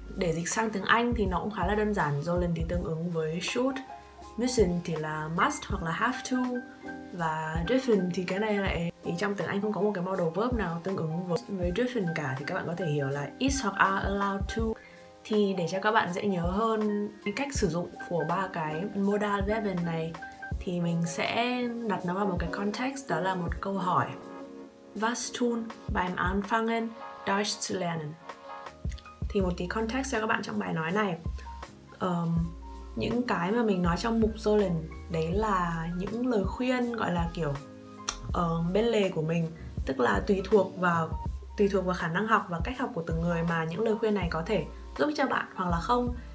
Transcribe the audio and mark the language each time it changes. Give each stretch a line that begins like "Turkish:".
Vietnamese: Để dịch sang tiếng Anh thì nó cũng khá là đơn giản. Sollen thì tương ứng với should, müssen thì là must hoặc là have to, và dürfen thì cái này lại thì trong tiếng Anh không có một cái modal verb nào tương ứng với dürfen cả, thì các bạn có thể hiểu là is hoặc
English: are allowed to.
Vietnamese: Thì để cho các bạn dễ nhớ hơn cách sử dụng của ba cái modal verb này thì mình sẽ đặt nó vào một cái context, đó là một câu hỏi.
German: Was tun beim Anfangen Deutsch zu lernen?
Vietnamese: Thì một tí context cho các bạn trong bài nói này. Những cái mà mình nói trong mục sollen đấy là những lời khuyên gọi là kiểu bên lề của mình, tức là tùy thuộc vào khả năng học và cách học của từng người mà những lời khuyên này có thể giúp cho bạn hoặc là không.